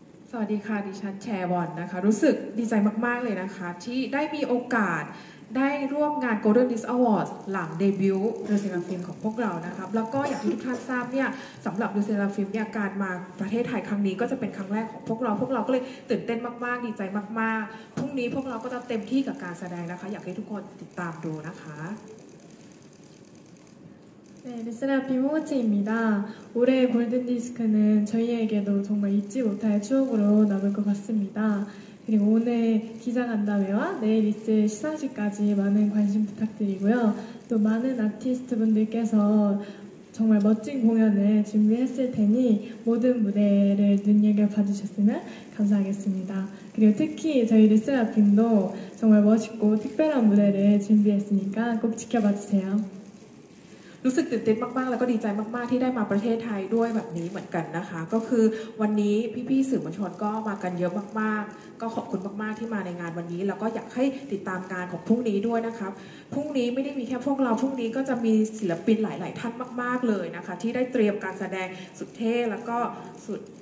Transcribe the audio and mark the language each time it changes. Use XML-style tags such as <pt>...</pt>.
<th>สวัสดีค่ะดิฉันแชวอนนะคะรู้สึกดีใจมากๆเลยนะคะที่ได้มีโอกาสได้ร่วมงาน Golden Disc Awards หลังเดบิวต์ Le Sserafim ของพวกเรานะครับแล้วก็อย่างที่ทุกท่านทราบเนี่ยสำหรับ Le Sserafim เนี่ยการมาประเทศไทยครั้งนี้ก็จะเป็นครั้งแรกของพวกเราพวกเราก็เลยตื่นเต้นมากๆดีใจมากๆพรุ่งนี้พวกเราก็จะเต็มที่กับการแสดงนะคะอยากให้ทุกคนติดตามดูนะคะ</th> <ko>네, 르세라핌 호우치입니다. 올해 골든 디스크는 저희에게도 정말 잊지 못할 추억으로 남을 것 같습니다. 그리고 오늘 기자간담회와 내일 있을 시상식까지 많은 관심 부탁드리고요. 또 많은 아티스트 분들께서 정말 멋진 공연을 준비했을 테니 모든 무대를 눈여겨 봐주셨으면 감사하겠습니다. 그리고 특히 저희 르세라핌 도 정말 멋있고 특별한 무대를 준비했으니까 꼭 지켜봐주세요</ko> <th>รู้สึกตื่นเต้นมากๆแล้วก็ดีใจมากๆที่ได้มาประเทศไทยด้วยแบบนี้เหมือนกันนะคะก็คือวันนี้พี่ๆสื่อมวลชนก็มากันเยอะมากๆก็ขอบคุณมากๆที่มาในงานวันนี้แล้วก็อยากให้ติดตามการของพรุ่งนี้ด้วยนะครับพรุ่งนี้ไม่ได้มีแค่พวกเราพรุ่งนี้ก็จะมีศิลปินหลายๆท่านมากๆเลยนะคะที่ได้เตรียมการแสดงสุดเท่แล้วก็สุด</th>